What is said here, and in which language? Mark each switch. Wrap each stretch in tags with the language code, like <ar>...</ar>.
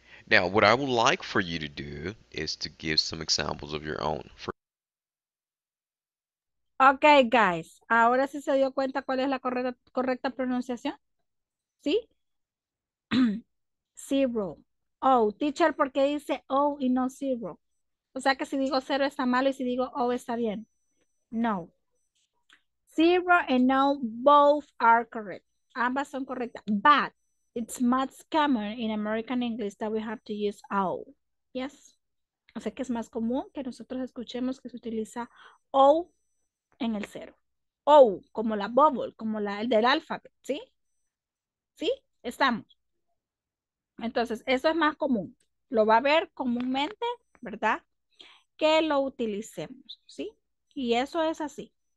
<en>Now, what I would like for you to do is to give some examples of your own. Okay, guys.</en> <es>¿Ahora sí se dio cuenta cuál es la correcta pronunciación? ¿Sí? Zero. Oh, teacher, ¿por qué dice oh y no zero? O sea que si digo cero está malo y si digo oh está bien. No.</es> <en>Zero and no, both are correct.</en> <es>Ambas son correctas.</es> <en>But it's much common in American English that we have to use oh. Yes.</en> <es>O sea que es más común que nosotros escuchemos que se utiliza oh en el cero. Oh, como la bubble, como la el del alfabet. ¿Sí? ¿Sí? Estamos. Entonces, eso es más común. Lo va a ver comúnmente, ¿verdad? Que lo utilicemos, ¿sí? Y eso es así.</es>